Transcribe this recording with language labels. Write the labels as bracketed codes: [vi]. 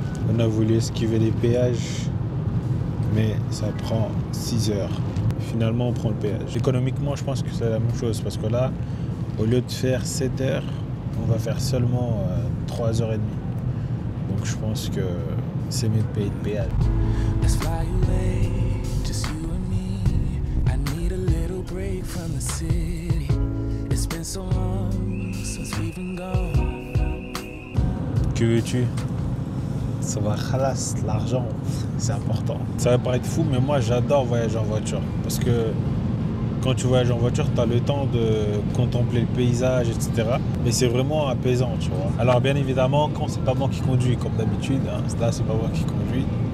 [fr] On a voulu esquiver les péages, mais ça prend 6 heures. Finalement, on prend le péage. Économiquement, je pense que c'est la même chose parce que là, au lieu de faire 7 heures, on va faire seulement 3 heures et demie. Donc je pense que c'est mieux de payer le péage. [en] Let's fly away, just you and me. I need a little break from the city. It's been so long since we've been gone. [fr] Que veux-tu? Ça va, khalas, l'argent, c'est important. Ça va paraître fou, mais moi j'adore voyager en voiture. Parce que quand tu voyages en voiture, tu as le temps de contempler le paysage, etc. Mais c'est vraiment apaisant, tu vois. Alors bien évidemment, quand c'est pas moi qui conduis, comme d'habitude, hein, là c'est pas moi qui conduis.